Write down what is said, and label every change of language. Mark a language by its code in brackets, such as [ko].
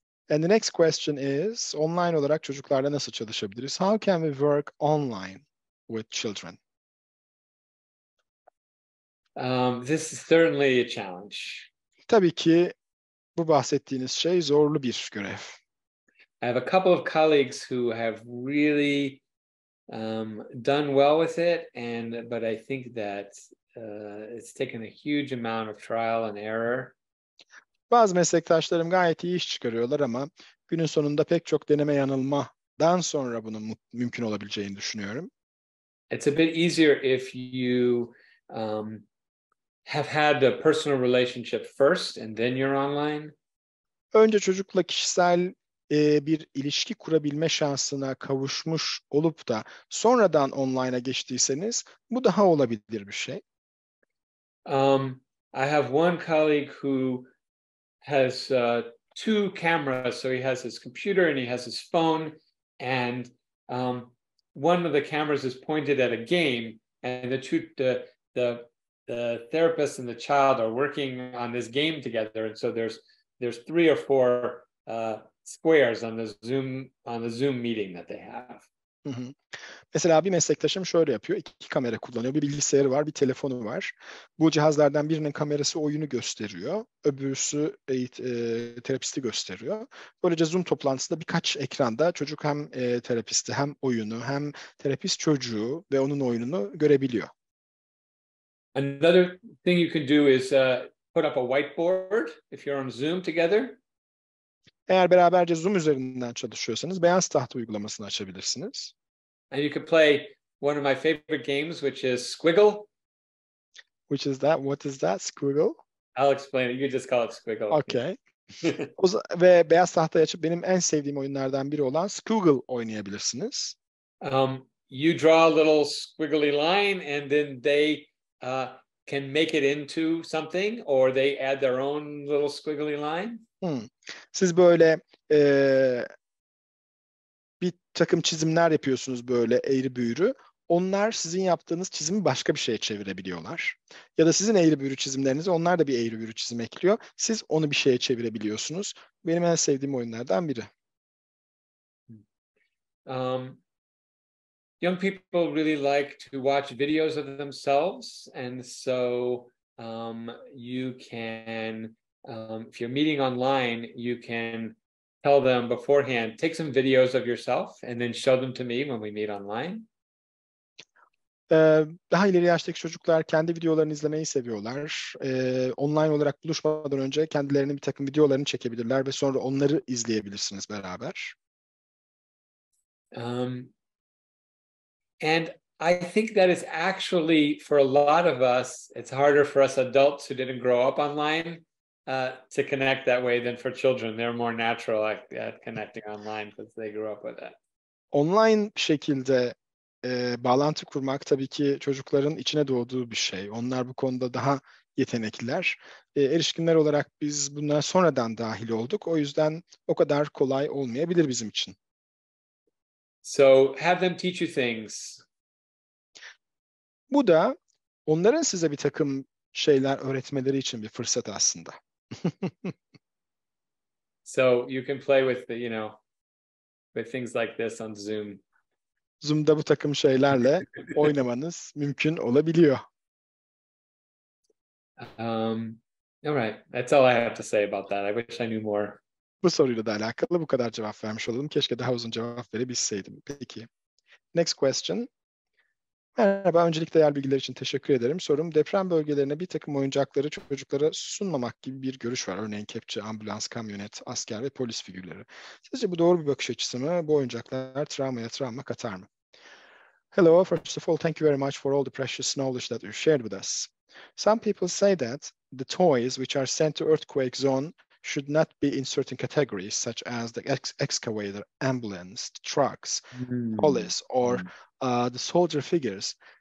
[en] And the next question is, [tr] online olarak çocuklarla nasıl çalışabiliriz? [en] How can we work online with children? This is certainly a challenge. [tr] Tabii ki bu bahsettiğiniz şey zorlu bir görev. [en] I have a couple of colleagues who have really done well with it, but I think that it's taken a huge amount of trial and error. [tr] Bazı meslektaşlarım gayet iyi iş çıkarıyorlar ama günün sonunda pek çok deneme yanılmadan sonra bunun mümkün olabileceğini düşünüyorum. [en] It's a bit easier if you have had a personal relationship first and then you're online. [tr] Önce çocukla kişisel bir ilişki kurabilme şansına kavuşmuş olup da sonradan online'a geçtiyseniz bu daha olabilir bir şey. [en] I have one colleague who has two cameras, so he has his computer and he has his phone, and one of the cameras is pointed at a game, and the therapist and the child are working on this game together, and so there's three or four squares on the Zoom meeting that they have. [tr] Mesela bir meslektaşım şöyle yapıyor. İki kamera kullanıyor. Bir bilgisayarı var, bir telefonu var. Bu cihazlardan birinin kamerası oyunu gösteriyor. Öbürsü terapisti gösteriyor. Böylece Zoom toplantısında birkaç ekranda çocuk hem terapisti hem oyunu hem terapist çocuğu ve onun oyununu görebiliyor. [en] Another thing you can do is put up a whiteboard if you're on Zoom together. [tr] Eğer beraberce Zoom üzerinden çalışıyorsanız beyaz tahta uygulamasını açabilirsiniz. [en] And you could play one of my favorite games, which is Squiggle. Which is that? What is that? Squiggle? I'll explain it. You just call it Squiggle. Okay. [tr] Ve beyaz tahtayı açıp benim en sevdiğim oyunlardan biri olan Squiggle oynayabilirsiniz. [en] You draw a little squiggly line and then they can make it into something or they add their own little squiggly line. [tr] Siz böyle bir takım çizimler yapıyorsunuz böyle eğri büğrü. Onlar sizin yaptığınız çizimi başka bir şeye çevirebiliyorlar. Ya da sizin eğri büğrü çizimlerinizi onlar da bir eğri büğrü çizim ekliyor. Siz onu bir şeye çevirebiliyorsunuz. Benim en sevdiğim oyunlardan biri. [en] Young people really like to watch videos of themselves. And so you can... if you're meeting online, you can tell them beforehand, take some videos of yourself and then show them to me when we meet online. [tr] Daha ileri yaştaki çocuklar kendi videolarını izlemeyi seviyorlar. Online olarak buluşmadan önce kendilerinin bir takım videolarını çekebilirler ve sonra onları izleyebilirsiniz beraber. [en] And I think that is actually for a lot of us, it's harder for us adults who didn't grow up online to connect that way than for children. They're more natural at connecting online because they grew up with it. [tr] Online şekilde bağlantı kurmak tabii ki çocukların içine doğduğu bir şey. Onlar bu konuda daha yetenekliler. Erişkinler olarak biz bunlara sonradan dahil olduk. O yüzden o kadar kolay olmayabilir bizim için. [en] So have them teach you things. [tr] Bu da onların size bir takım şeyler öğretmeleri için bir fırsat aslında. [en] So you can play with the, you know, with things like this on Zoom. [tr] Zoom'da bu takım şeylerle oynamanız mümkün olabiliyor. [en] All right. That's all I have to say about that. I wish I knew more. [tr] Bu soruyla da alakalı bu kadar cevap vermiş oldum. Keşke daha uzun cevap verebilseydim. Peki. [en] Next question. [tr] Merhaba. Öncelikle değerli bilgiler için teşekkür ederim. Sorum, deprem bölgelerine bir takım oyuncakları çocuklara sunmamak gibi bir görüş var. Örneğin kepçe, ambulans, kamyonet, asker ve polis figürleri. Sizce bu doğru bir bakış açısı mı? Bu oyuncaklar travmaya travma katar mı? [en] Hello, first of all, thank you very much for all the precious knowledge that you shared with us. Some people say that the toys which are sent to earthquake zone should not be in certain categories such as the excavator, ambulance, trucks, police, or the soldier figures.